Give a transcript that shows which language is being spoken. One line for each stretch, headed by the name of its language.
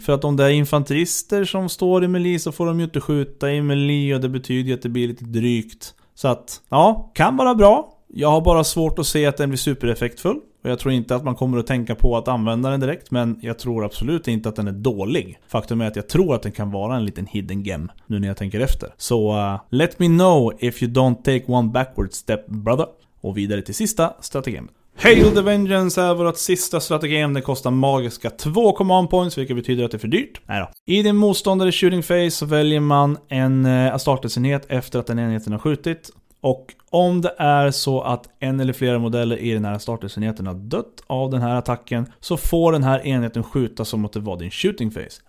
Swedish: För att om det är infanterister som står i melee så får de ju inte skjuta i melee, och det betyder ju att det blir lite drygt. Så att, ja, kan vara bra. Jag har bara svårt att se att den blir supereffektfull. Och jag tror inte att man kommer att tänka på att använda den direkt. Men jag tror absolut inte att den är dålig. Faktum är att jag tror att den kan vara en liten hidden gem nu när jag tänker efter. Så
English: let me know if you don't take one backward step, brother.
Swedish: Och vidare till sista strategemet. Hail the Vengeance är vårt sista strategem. Det kostar magiska 2 command points, vilket betyder att det är för dyrt. Nej då. I din motståndare shooting phase så väljer man en Astartes-enhet efter att den enheten har skjutit. Och om det är så att en eller flera modeller i den här Astartes-enheten har dött av den här attacken, så får den här enheten skjuta som att det var din shooting phase.